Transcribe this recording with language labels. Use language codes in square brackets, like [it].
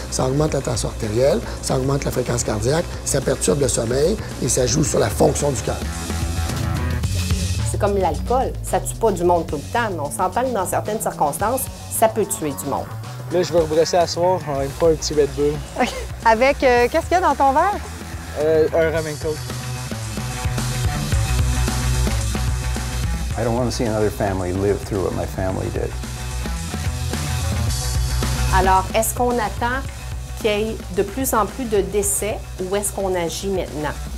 [fr] Ça augmente la tension artérielle, ça augmente la fréquence cardiaque, ça perturbe le sommeil et ça joue sur la fonction du cœur. C'est comme l'alcool. Ça tue pas du monde tout le temps, mais on s'entend que dans certaines circonstances, ça peut tuer du monde. Là, je vais rebrasser à soir, on n'aime pas un petit Red Bull. Avec, qu'est-ce qu'il y a dans ton verre? Un [en] rum and coke. I don't want to see another family live through what my family did. [fr] Alors, est-ce qu'on attend qu'il y ait de plus en plus de décès ou est-ce qu'on agit maintenant?